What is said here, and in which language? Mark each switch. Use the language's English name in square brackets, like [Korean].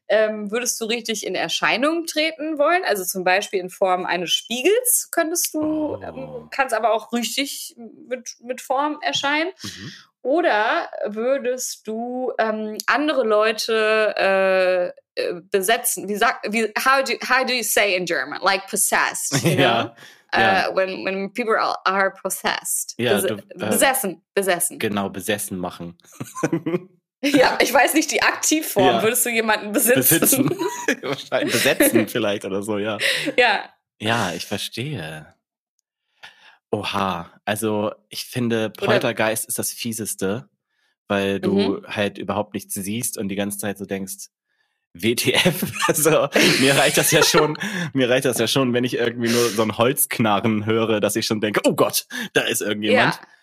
[German] Würdest du richtig in Erscheinung treten wollen? Also zum Beispiel in Form eines Spiegels könntest du, kannst aber auch richtig mit Form erscheinen. Oder würdest du andere Leute besetzen? [English] How do you say in German? Like possessed? When people are possessed. [German] Ja, besessen. Genau, besessen machen. Ja, ich weiß nicht, die Aktivform. Ja. Würdest du jemanden besitzen? Besitzen. Wahrscheinlich besetzen vielleicht oder so, ja. Ja. Ja, ich verstehe. Oha, also ich finde, Poltergeist ist das Fieseste, weil du halt überhaupt nichts siehst und die ganze Zeit so denkst, WTF, also mir reicht das ja schon, wenn ich irgendwie nur so ein Holzknarren höre, dass ich schon denke, oh Gott, da ist irgendjemand.